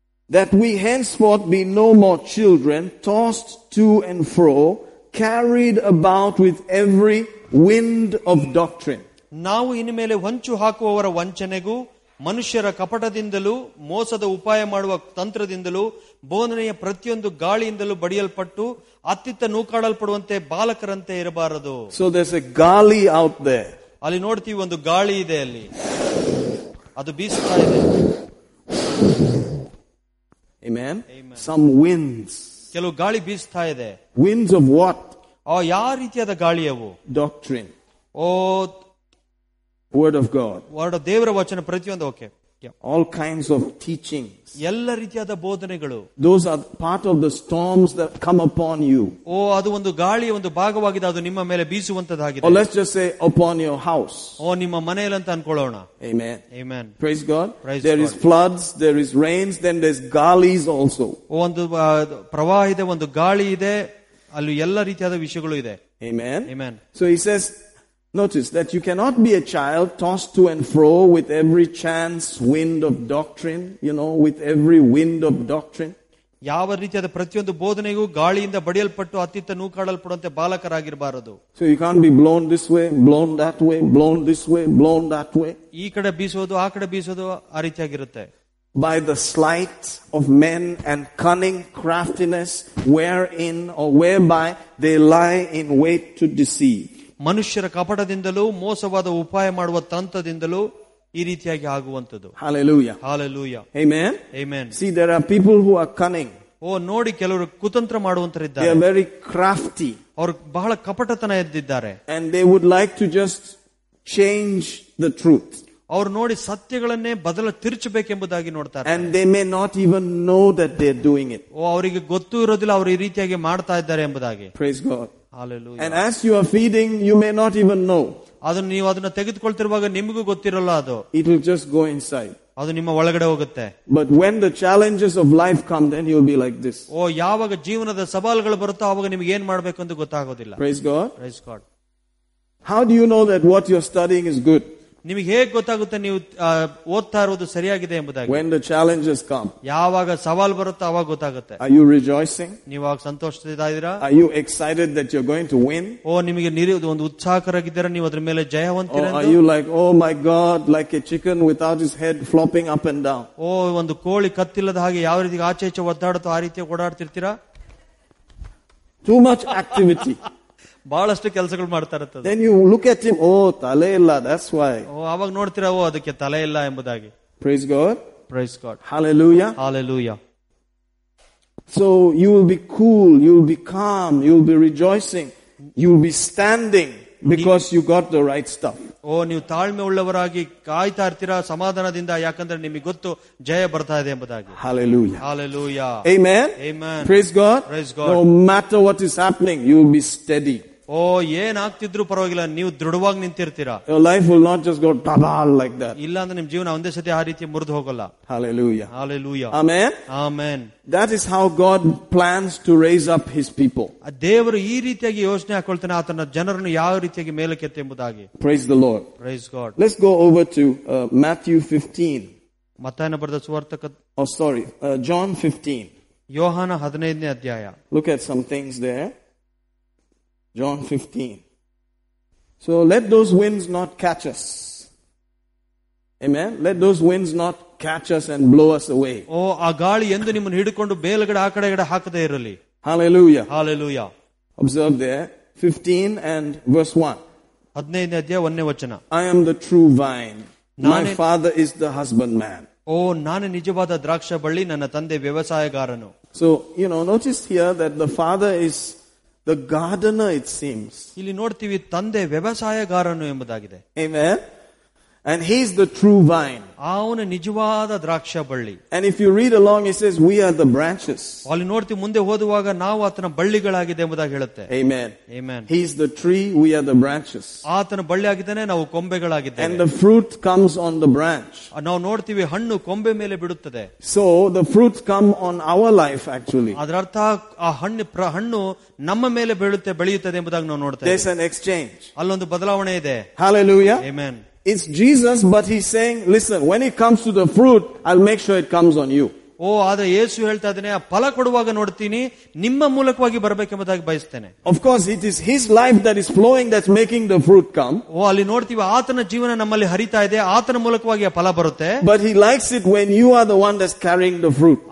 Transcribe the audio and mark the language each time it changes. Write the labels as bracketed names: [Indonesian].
[English] That we henceforth be no more children, tossed to and fro, carried about with every wind of doctrine. [Kannada] ನಾವು ಇನ್ನು ಮೇಲೆ ಹೊಂಚು ಹಾಕುವವರ ವಂಚನೆಗೂ ಮನುಷ್ಯರ ಕಪಟದಿಂದಲೂ ಮೋಸದ ಉಪಾಯ ಮಾಡುವ ತಂತ್ರದಿಂದಲೂ ಬೋಧನೆಯ ಪ್ರತಿಯೊಂದು ಗಾಳಿಯಿಂದಲೂ ಬಡಿಯಲ್ಪಟ್ಟು ಅತ್ತಿತ್ತ ನೂಕಾಡಲ್ಪಡುವಂತೆ ಬಾಲಕರಂತೆ ಇರಬಾರದು. [English] So there's a gali out there. [Kannada] ಅಲ್ಲಿ ನೋಡ್ತೀವಿ ಒಂದು ಗಾಳಿ ಇದೆ ಅಲ್ಲಿ, ಅದು ಬೀಸುತ್ತಾ ಇದೆ. [English] Amen. Amen. Some winds. [Kannada] ಕೆಲವು ಗಾಳಿ ಬೀಸ್ತಾ ಇದೆ. [English] Winds of what? [Kannada] ಓ ಯಾವ ರೀತಿಯಾದ ಗಾಳಿ ಅವು? [English] Doctrine. ಓ word of God. [Kannada] Word ದೇವರ ವಚನ ಪ್ರತಿಯೊಂದು. Okay. [English] All kinds of teachings. [Kannada] ಎಲ್ಲ ರೀತಿಯಾದ ಬೋಧನೆಗಳು. [English] Those are part of the storms that come upon you. [Kannada] ಓ ಅದು ಒಂದು ಗಾಳಿಯ ಒಂದು ಭಾಗವಾಗಿದೆ, ಅದು ನಿಮ್ಮ ಮೇಲೆ ಬೀಸುವಂತದ್ದಾಗಿದೆ. [English] Or let's just say upon your house. [Kannada] ಓ ನಿಮ್ಮ ಮನೆಯಲ್ಲಿ ಅಂತ ಅನ್ಕೊಳ್ಳೋಣ. [English] Amen. Amen. Praise God. Praise there God. Is floods, there is rains, then there's galis also. [Kannada] ಓ ಒಂದು ಪ್ರವಾಹ ಇದೆ, ಒಂದು ಗಾಳಿ ಇದೆ, ಅಲ್ಲಿ ಎಲ್ಲ ರೀತಿಯಾದ ವಿಷಯಗಳು ಇದೆ. [English] Amen. Amen. So he says, notice that you cannot be a child tossed to and fro with every chance wind of doctrine, you know, with every wind of doctrine. [Kannada] ಯಾವ ರೀತಿಯಾದ ಪ್ರತಿಯೊಂದು ಬೋಧನೆಗೂ ಗಾಳಿಯಿಂದ ಬಡಿಯಲ್ಪಟ್ಟು ಅತ್ತಿತ್ತ ನೂಕಾಡಲ್ಪಡುವಂತೆ ಬಾಲಕರಾಗಿರಬಾರದು. [English] so you can't be blown this way blown that way blown this way blown that way, [Kannada] ಈ ಕಡೆ ಬೀಸೋದು ಆ ಕಡೆ ಬೀಸೋದು ಆ ರೀತಿಯಾಗಿರುತ್ತೆ. [English] By the sleight of men and cunning craftiness wherein or whereby they lie in wait to deceive. [Kannada] ಮನುಷ್ಯರ ಕಪಟದಿಂದಲೂ ಮೋಸವಾದ ಉಪಾಯ ಮಾಡುವ ತಂತ್ರದಿಂದಲೂ ಈ ರೀತಿಯಾಗಿ ಆಗುವಂತದ್ದು. [English] Hallelujah. Hallelujah. Amen. Amen. See, there are people who are cunning. [Kannada] ಓ ನೋಡಿ, ಕೆಲವರು ಕುತಂತ್ರ ಮಾಡುವಂತರಿದ್ದಾರೆ. [English] They are very crafty. [Kannada] ಅವರು ಬಹಳ ಕಪಟತನ ಇದ್ದಿದ್ದಾರೆ. [English] And they would like to just change the truth. [Kannada] ಅವರು ನೋಡಿ ಸತ್ಯಗಳನ್ನೇ ಬದಲ ತಿರುಚಬೇಕೆಂಬುದಾಗಿ ನೋಡ್ತಾರೆ. [English] And they may not even know that they are doing it. [Kannada] ಓ ಅವರಿಗೆ ಗೊತ್ತೂ ಇರೋದಿಲ್ಲ ಅವರು ಈ ರೀತಿಯಾಗಿ ಮಾಡ್ತಾ ಇದ್ದಾರೆ ಎಂಬುದಾಗಿ. [English] Praise God. Hallelujah. And as you are feeding, you may not even know. [Kannada] ಅದನ್ನು ನೀವು ಅದನ್ನ ತೆಗೆದುಕೊಳ್ತಿರುವಾಗ ನಿಮಗೂ ಗೊತ್ತಿರಲ್ಲ ಅದು. [English] It will just go inside. [Kannada] ಅದು ನಿಮ್ಮ ಒಳಗಡೆ ಹೋಗುತ್ತೆ. [English] But when the challenges of life come then you will be like this. [Kannada] ಓ ಯಾವಾಗ ಜೀವನದ ಸವಾಲುಗಳು ಬರುತ್ತೋ ಅವಾಗ ನಿಮ್ಗೆ ಏನ್ ಮಾಡಬೇಕು ಅಂತ ಗೊತ್ತಾಗೋದಿಲ್ಲ. [English] Praise God. Praise God. How do you know that what you are studying is good? [Kannada] ನಿಮಗೆ ಹೇಗೆ ಗೊತ್ತಾಗುತ್ತೆ ನೀವು ಓದ್ತಾ ಇರುವುದು ಸರಿಯಾಗಿದೆ ಎಂಬುದಾಗಿ? [English] When the challenges come. [Kannada] ಯಾವಾಗ ಸವಾಲು ಬರುತ್ತೋ ಅವಾಗ ಗೊತ್ತಾಗುತ್ತೆ. [English] Are you rejoicing? [Kannada] ನೀವು ಆಗ ಸಂತೋಷದಿದ್ದೀರಾ? [English] Are you excited that you are going to win? [Kannada] ಓ ನಿಮಗೆ ನಿರೀಕ್ಷೆ, ಒಂದು ಉತ್ಸಾಹಕರಾಗಿದ್ದೀರಾ ನೀವು ಅದರ ಮೇಲೆ ಜಯವಂತರೆಂದು? [English] Are you like oh my God like a chicken without his head flapping up and down? [Kannada] ಓ ಒಂದು ಕೋಳಿ ಕತ್ತಿಲ್ಲದ ಹಾಗೆ ಯಾವ ರೀತಿ ಆಚೆ ಈಚೆ ಒದ್ದಾಡುತ್ತೋ ಆ ರೀತಿ ಓಡಾಡ್ತಿರ್ತೀರಾ? [English] Too much activity. [Kannada] ಬಹಳಷ್ಟು ಕೆಲಸಗಳು ಮಾಡ್ತಾ ಇರುತ್ತೆ. [English] Then you look at him, oh, [Kannada] ತಲೆ ಇಲ್ಲ, [English] that's why. [Kannada] ಓ ಅವಾಗ ನೋಡ್ತೀರ, ಓ ಅದಕ್ಕೆ ತಲೆ ಇಲ್ಲ ಎಂಬುದಾಗಿ. [English] Praise God. Praise God. Hallelujah. Hallelujah. So you will be cool, you will be calm, you will be rejoicing, you will be standing because you got the right stuff. [Kannada] ಓ ನೀವು ತಾಳ್ಮೆ ಉಳ್ಳವರಾಗಿ ಕಾಯ್ತಾ ಇರ್ತೀರಾ ಸಮಾಧಾನದಿಂದ, ಯಾಕಂದ್ರೆ ನಿಮಗೆ ಗೊತ್ತು ಜಯ ಬರ್ತಾ ಇದೆ ಎಂಬುದಾಗಿ. [English] Hallelujah. Hallelujah. Amen. Amen. Praise God. Praise God. No matter what is happening, you will be steady. [Kannada] ಓ ಏನಾಗ್ತಿದ್ರು ಪರವಾಗಿಲ್ಲ, ನೀವು ದೃಢವಾಗಿ ನಿಂತಿರ್ತೀರಾ. [English] Your life will not just go tabal like that. [Kannada] ಇಲ್ಲ ಅಂದ್ರೆ ನಿಮ್ ಜೀವನ ಒಂದೇ ಸತಿ ಆ ರೀತಿ ಮುರಿದು ಹೋಗಲ್ಲ. [English] Hallelujah. Hallelujah. Amen. Amen. That is how God plans to raise up his people. [Kannada] ದೇವರು ಈ ರೀತಿಯಾಗಿ ಯೋಜನೆ ಹಾಕೊಳ್ತಾನೆ ಆತನ ಜನರನ್ನು ಯಾವ ರೀತಿಯಾಗಿ ಮೇಲಕ್ಕೆತ್ತೆ ಎಂಬುದಾಗಿ. [English] Praise the Lord. Praise God. Let's go over to Matthew 15. [Kannada] ಮತ್ತಾಯನ ಬರೆದ ಸುವಾರ್ತಕ [English] John 15. [Kannada] ಯೋಹಾನ 15ನೇ ಅಧ್ಯಾಯ. [English] Look at some things there. John 15. So let those winds not catch us. Amen. Let those winds not catch us and blow us away. [Kannada] ಓ ಆ ಗಾಳಿ ಎಂದು ನಿಮ್ಮನ್ನು ಹಿಡ್ಕೊಂಡು ಬೇಲಗಡೆ ಆ ಕಡೆ ಹಾಕದೇ ಇರಲಿ. [English] Hallelujah. Hallelujah. Observe there. 15 and verse 1. [Kannada] 15ನೇ ಅಧ್ಯಾಯ 1ನೇ ವಚನ. [English] I am the true vine. My father is the husbandman. [Kannada] ಓ ನಾನು ನಿಜವಾದ ದ್ರಾಕ್ಷ ಬಳ್ಳಿ, ನನ್ನ ತಂದೆ ವ್ಯವಸಾಯಗಾರನು. [English] So, you know, notice here that the father is the gardener, it seems. [Kannada] ಇಲ್ಲಿ ನೋಡ್ತೀವಿ ತಂದೆ ವ್ಯವಸಾಯಗಾರನು ಎಂಬುದಾಗಿದೆ. [English] Amen. And he is the true vine. [Kannada] ಅವನು ನಿಜವಾದ ದ್ರಾಕ್ಷ ಬಳ್ಳಿ. [English] And if you read along, it says we are the branches. [Kannada] ಅಲ್ಲಿ ನೋಡ್ತೀವಿ ಮುಂದೆ ಓದುವಾಗ ನಾವು ಆತನ ಬಳ್ಳಿಗಳಾಗಿದೆ ಎಂಬುದಾಗಿ ಹೇಳುತ್ತೆ. [English] Amen. Amen. He is the tree, we are the branches. [Kannada] ಆತನ ಬಳ್ಳಿ ಆಗಿದ್ದಾನೆ, ನಾವು ಕೊಂಬೆಗಳಾಗಿದ್ದೇವೆ. [English] And the fruit comes on the branch. [Kannada] ನಾವು ನೋಡ್ತೀವಿ ಹಣ್ಣು ಕೊಂಬೆ ಮೇಲೆ ಬಿಡುತ್ತದೆ. [English] So the fruit come on our life actually. [Kannada] ಅದರ ಅರ್ಥ ಆ ಹಣ್ಣು ನಮ್ಮ ಮೇಲೆ ಬೀಳುತ್ತೆ ಬೆಳೆಯುತ್ತದೆ ಎಂಬುದಾಗಿ ನಾವು ನೋಡ್ತೇವೆ. [English] There's an exchange. [Kannada] ಅಲ್ಲೊಂದು ಬದಲಾವಣೆ ಇದೆ. [English] Hallelujah. Amen. It's Jesus, but he's saying, listen, when it comes to the fruit, I'll make sure it comes on you. [Kannada] ಓ ಆದ್ರೆ ಯೇಸು ಹೇಳ್ತಾ ಇದ್ದಾನೆ ಆ ಫಲ ಕೊಡುವಾಗ ನೋಡ್ತೀನಿ ನಿಮ್ಮ ಮೂಲಕವಾಗಿ ಬರಬೇಕೆಂಬುದಾಗಿ ಬಯಸ್ತೇನೆ. [English] Of course it is his life that is flowing that making the fruit come. [Kannada] ಓ ಅಲ್ಲಿ ನೋಡ್ತೀವಿ ಆತನ ಜೀವನ ನಮ್ಮಲ್ಲಿ ಹರಿತಾ ಇದೆ, ಆತನ ಮೂಲಕವಾಗಿ ಆ ಫಲ ಬರುತ್ತೆ. [English] But he likes it when you are the one that's carrying the fruit.